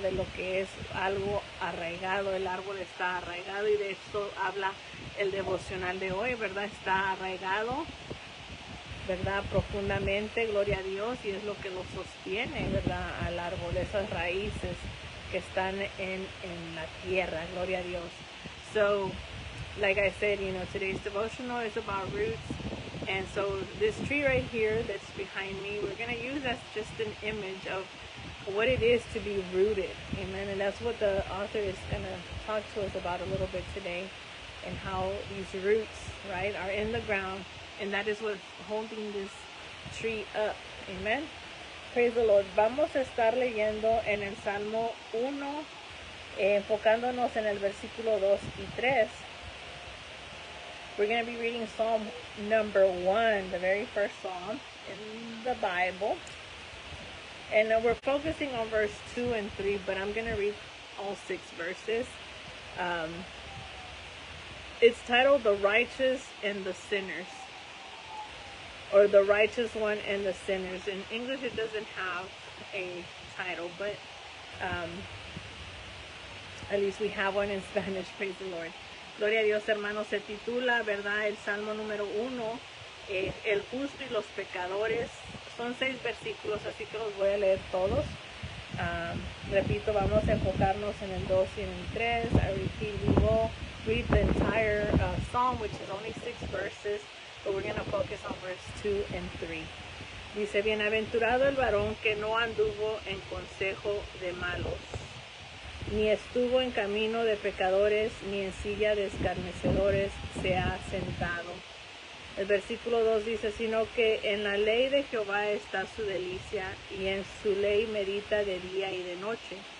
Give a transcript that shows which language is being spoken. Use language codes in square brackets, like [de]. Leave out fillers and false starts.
[es] De lo que es algo arraigado. El árbol está arraigado y de esto habla el devocional de hoy, ¿verdad? Está arraigado, ¿verdad? Profundamente, gloria a Dios, y es lo que lo sostiene, ¿verdad? Al árbol, esas raíces que están en la tierra, gloria a Dios. [en] So, like I said, you know, today's devotional is about roots, and so this tree right here that's behind me, we're going to use as just an image of what it is to be rooted, amen? And that's what the author is going to talk to us about a little bit today, and how these roots, right, are in the ground. And that is what's holding this tree up. Amen. Praise the Lord. [es] Vamos a estar leyendo en el Salmo 1, enfocándonos en el versículo 2 y 3. [en] We're going to be reading Psalm number 1, the very first Psalm in the Bible. And we're focusing on verse 2 and 3, but I'm going to read all 6 verses. It's titled The Righteous and the Sinners. Or the righteous one and the sinners. In English, it doesn't have a title, but at least we have one in Spanish. Praise the Lord. [es] Gloria a Dios, hermanos. Se titula, ¿verdad? El Salmo número 1, El Justo y los Pecadores. Son 6 versículos, así que los voy a leer todos. Repito, vamos a enfocarnos en el 2 y en el 3. [en] I repeat, we will read the entire psalm, which is only 6 verses. But we're going to focus on verse 2 and 3. [es] Dice, bienaventurado el varón que no anduvo en consejo de malos, ni estuvo en camino de pecadores, ni en silla de escarnecedores se ha sentado. El versículo 2 dice, sino que en la ley de Jehová está su delicia, y en su ley medita de día y de noche.